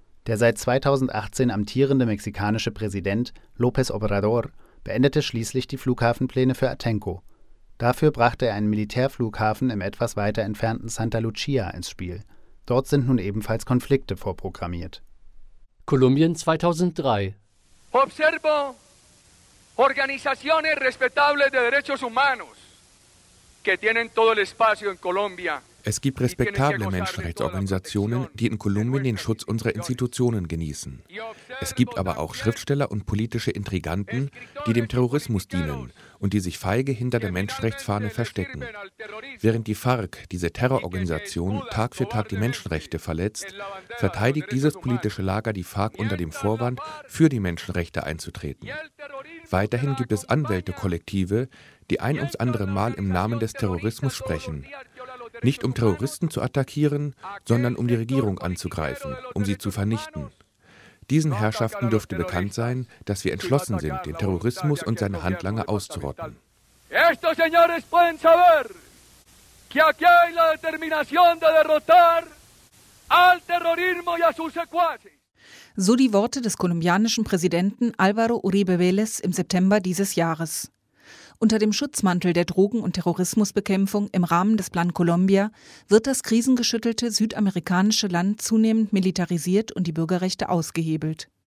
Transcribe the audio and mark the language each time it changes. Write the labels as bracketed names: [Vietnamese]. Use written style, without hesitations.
[German] Der seit 2018 amtierende mexikanische Präsident López Obrador beendete schließlich die Flughafenpläne für Atenco. Dafür brachte er einen Militärflughafen im etwas weiter entfernten Santa Lucia ins Spiel. Dort sind nun ebenfalls Konflikte vorprogrammiert. Kolumbien 2003. [Spanish] Observo organizaciones respetables de derechos humanos que tienen todo el espacio en Colombia. [German] Es gibt respektable Menschenrechtsorganisationen, die in Kolumbien den Schutz unserer Institutionen genießen. Es gibt aber auch Schriftsteller und politische Intriganten, die dem Terrorismus dienen und die sich feige hinter der Menschenrechtsfahne verstecken. Während die FARC, diese Terrororganisation, Tag für Tag die Menschenrechte verletzt, verteidigt dieses politische Lager die FARC unter dem Vorwand, für die Menschenrechte einzutreten. Weiterhin gibt es Anwältekollektive, die ein ums andere Mal im Namen des Terrorismus sprechen. Nicht um Terroristen zu attackieren, sondern um die Regierung anzugreifen, um sie zu vernichten. Diesen Herrschaften dürfte bekannt sein, dass wir entschlossen sind, den Terrorismus und seine Handlanger auszurotten. [Spanish] Estos señores pueden saber que aquí hay la determinación de derrotar al terrorismo y a sus secuaces. [German] So die Worte des kolumbianischen Präsidenten Álvaro Uribe Vélez im September dieses Jahres. Unter dem Schutzmantel der Drogen- und Terrorismusbekämpfung im Rahmen des Plan Colombia wird das krisengeschüttelte südamerikanische Land zunehmend militarisiert und die Bürgerrechte ausgehebelt.